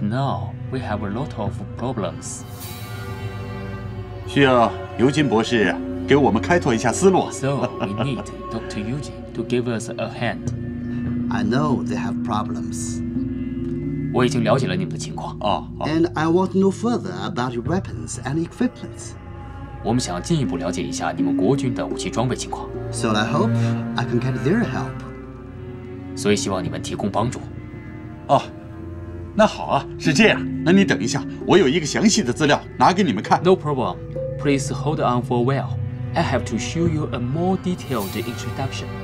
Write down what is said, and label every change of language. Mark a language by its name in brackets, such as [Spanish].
[English] now we have a lot of problems. [Chinese] 需要尤金博士给我们开拓一下思路。So [English] we need Dr. Yuji to give us a hand. I know they have problems. [Chinese] 我已经了解了你们的情况。哦，好。And [English] I want to know further about your weapons and equipment. [Chinese] 我们想进一步了解一下你们国军的武器装备情况。So [English] I hope I can get their help. [Chinese] 所以希望你们提供帮助。哦，那好啊，是这样。那你等一下，我有一个详细的资料拿给你们看。 [English] No problem. Please hold on for a while. I have to show you a more detailed introduction.